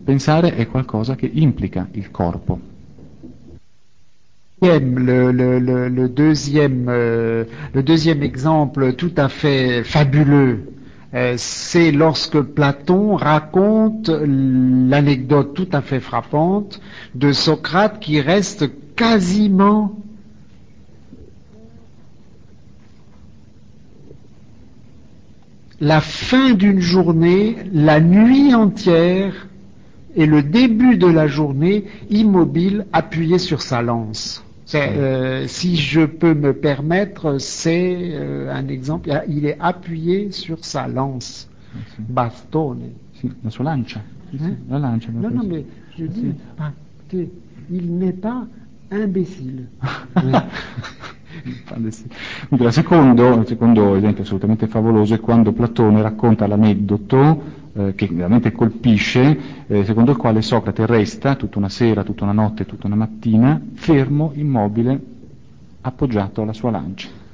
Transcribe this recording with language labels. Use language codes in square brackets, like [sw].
[it] Pensare è qualcosa che implica il corpo. [fr] Le deuxième exemple tout à fait fabuleux, c'est lorsque Platon raconte l'anecdote tout à fait frappante de Socrate qui reste quasiment la fin d'une journée, la nuit entière, et le début de la journée immobile appuyé sur sa lance. C'est, si je peux me permettre, c'est un exemple. Il est appuyé sur sa lance. [it] Bastone. La sua lancia. La lancia. [fr] Non, non, mais je dis, il n'est pas imbécile. [it] Dunque, il secondo esempio assolutamente favoloso è quando Platone racconta l'aneddoto che veramente colpisce, secondo il quale Socrate resta tutta una sera, tutta una notte, tutta una mattina fermo, immobile, appoggiato alla sua lancia.